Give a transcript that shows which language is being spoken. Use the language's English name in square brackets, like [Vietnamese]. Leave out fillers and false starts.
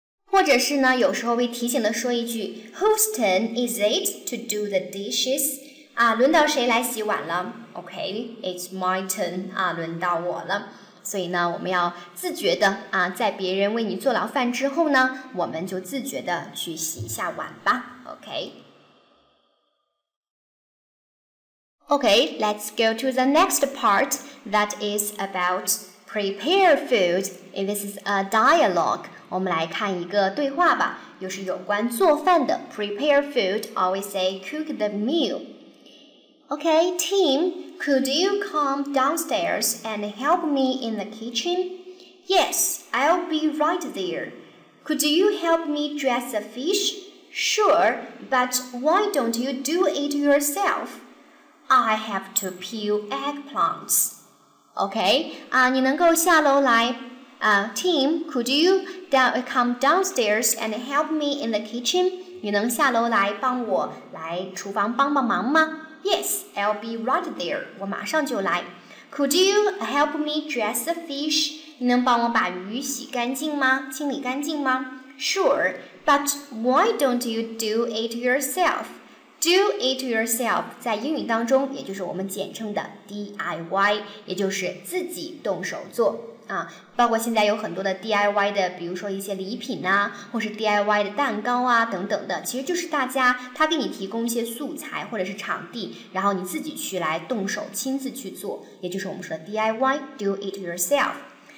[Chinese] 或者是呢，有时候会提醒的说一句 [English] whose turn is it to do the dishes？ [Chinese] 轮到谁来洗碗了 ？OK， [English] it's my turn， [Chinese] 轮到我了。所以呢，我们要自觉的在别人为你做了饭之后呢，我们就自觉的去洗一下碗吧。 [English] Okay, let's go to the next part that is about prepare food. This is a dialogue. [Chinese] 我们来看一个对话吧，又是有关做饭的。 [English] Prepare food, always say cook the meal. Okay, Tim, could you come downstairs and help me in the kitchen? Yes, I'll be right there. Could you help me dress the fish? Sure, but why don't you do it yourself? I have to peel eggplants. Okay, [Chinese] 你能够下楼来。 [English] Tim, could you come downstairs and help me in the kitchen? [Chinese] 你能下楼来帮我来厨房帮帮忙吗？ [English] Yes, I'll be right there. [Chinese] 我马上就来。 [English] Could you help me dress the fish? [Chinese] 你能帮我把鱼洗干净吗？清理干净吗？ [English] Sure, but why don't you do it yourself? Do it yourself [Chinese] 在英语当中也就是我们简称的 DIY， 也就是自己动手做。包括现在有很多的 DIY 的，比如说一些礼品啊，或是 DIY 的蛋糕啊等等的，其实就是大家他给你提供一些素材或者是场地，然后你自己去来动手亲自去做，也就是我们说的 DIY， [English] do it yourself。